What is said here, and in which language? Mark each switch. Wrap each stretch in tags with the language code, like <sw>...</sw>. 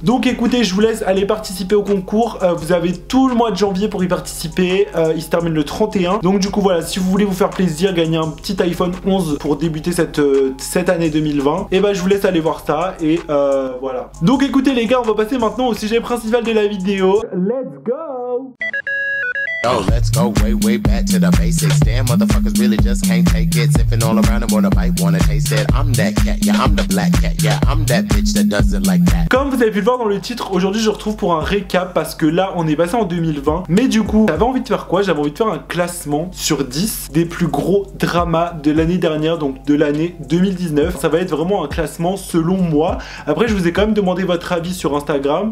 <fr>Donc écoutez, je vous laisse aller participer au concours. Vous avez tout le mois de janvier pour y participer. Il se termine le 31. Donc du coup, voilà, si vous voulez vous faire plaisir, gagner un petit iPhone 11 pour débuter cette année 2020, et ben, je vous laisse aller voir ça. Et voilà. Donc écoutez, les gars, on va passer maintenant au sujet principal de la vidéo.</fr> <en>Let's go! Yo, let's go way, way back to the basics. Damn, motherfuckers really just can't take it. Sipping all around and wanna bite, wanna taste it. I'm that cat, yeah, I'm the black cat, yeah, I'm that bitch that does it like that.</en> <fr>Comme vous avez pu le voir dans le titre, aujourd'hui je retrouve pour un récap parce que là on est passé en 2020. Mais du coup, j'avais envie de faire quoi? J'avais envie de faire un classement sur 10 des plus gros dramas de l'année dernière, donc de l'année 2019. Ça va être vraiment un classement selon moi. Après, je vous ai quand même demandé votre avis sur Instagram.</fr>